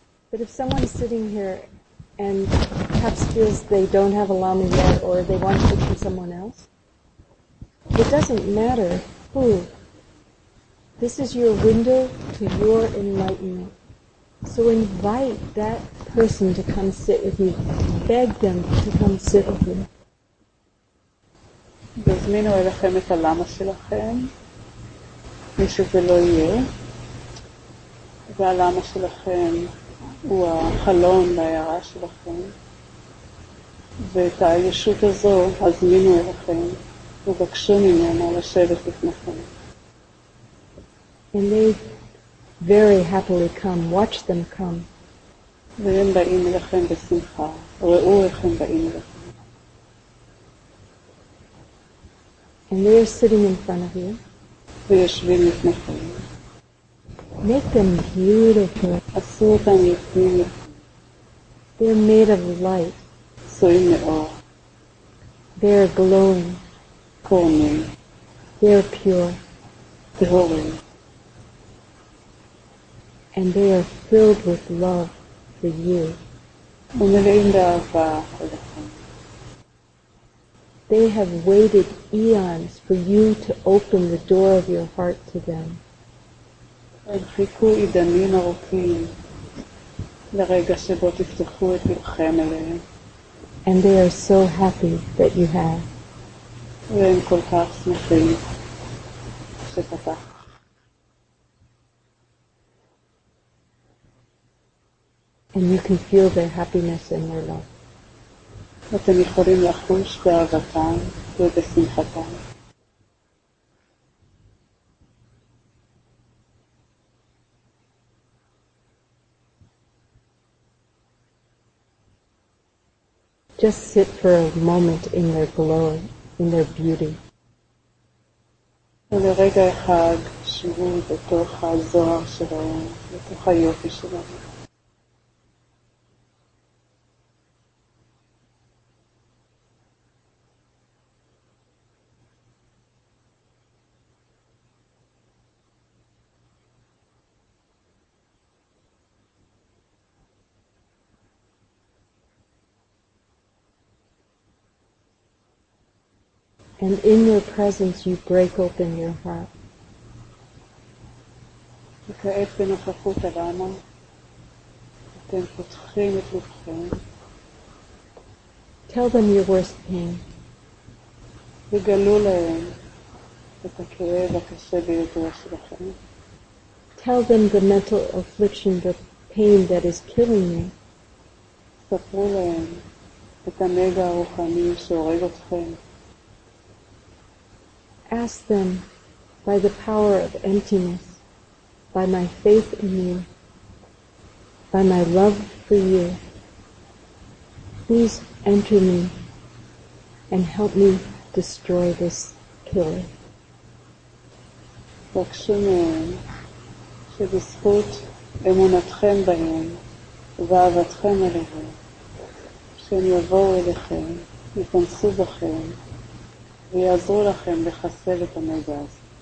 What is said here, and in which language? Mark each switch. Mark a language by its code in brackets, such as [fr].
[en] But if someone's sitting here and perhaps feels they don't have a lama yet or they want to become someone else, it doesn't matter who. This is your window to your enlightenment. So invite that person to come sit with you. Beg them to come sit with you. [he] תזמינו אליכם את הלמה שלכם, מי שזה לא יהיה. והלמה שלכם הוא החלון להערה שלכם. ואת הישות הזו, הזמינו אליכם, ובקשו ממנו לשבת לפניכם. [en] And they very happily come. Watch them come. [he] והם באים אליכם בשמחה. ראו איך הם באים אליכם. [en] And they are sitting in front of you. [he] ויושבים לפניכם. [en] Make them beautiful. [he] עשו אותם יפים. [en] They're made of light. [he] עשויים מאור. [en] They're glowing. [he] קורנים. [en] They're pure. [he] טהורים. [en] And they are filled with love for you. [he] ומלאים באהבה עליכם. [en] They have waited eons for you to open the door of your heart to them. [he] הם חיכו עידנים ארוכים לרגע שבו תפתחו את לבכם אליהם. [en] And they are so happy that you have. [he] והם כל כך שמחים שפתח. [en] And you can feel their happiness and their love. [he] אתם יכולים לחוש באהבתם ובשמחתם. [en] Just sit for a moment in their glory, in their beauty. [he] ולרגע אחד שבו בתוך הזוהר שלהם, בתוך היופי שלהם. [en] And in your presence, you break open your heart. [he] וכעת בנוכחות הלמה, אתם פותחים את לבכם. [en] Tell them your worst pain. [he] וגלו להם את הכאב הקשה ביותר שלכם. [en] Tell them the mental affliction, the pain that is killing you. [he] ספרו להם את הנגע הרוחני שהורג אתכם. [en] Ask them, by the power of emptiness, by my faith in you, by my love for you, please enter me and help me destroy this killer. [he] בקשו מהם שבזכות אמונתכם בהם ואהבתכם אליהם, שהם יבואו אליכם, יכנסו בכם, ויעזרו לכם לחסל את הנגע הזה.